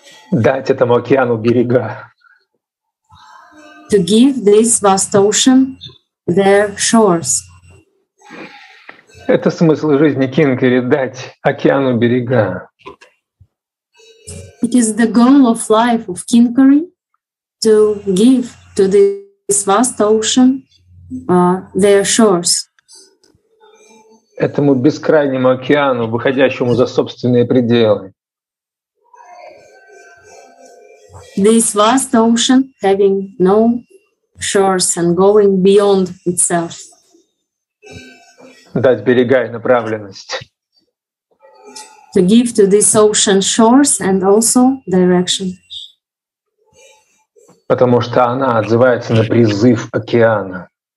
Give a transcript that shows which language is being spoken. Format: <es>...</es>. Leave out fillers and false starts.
<ru>Дать этому океану берега.</ru> <en>To give this vast ocean their shores.</en> <ru>Это смысл жизни Кинкари — дать океану берега.</ru> <en>It is the goal of life of Kinkari to give to this vast ocean their shores.</en> <ru>Этому бескрайнему океану, выходящему за собственные пределы.</ru> <en>This vast ocean having no shores and going beyond itself.</en> <ru>Дать берега и направленность.</ru> <en>To give to this ocean shores and also direction.</en> <ru>Потому что она отзывается на призыв океана.</ru>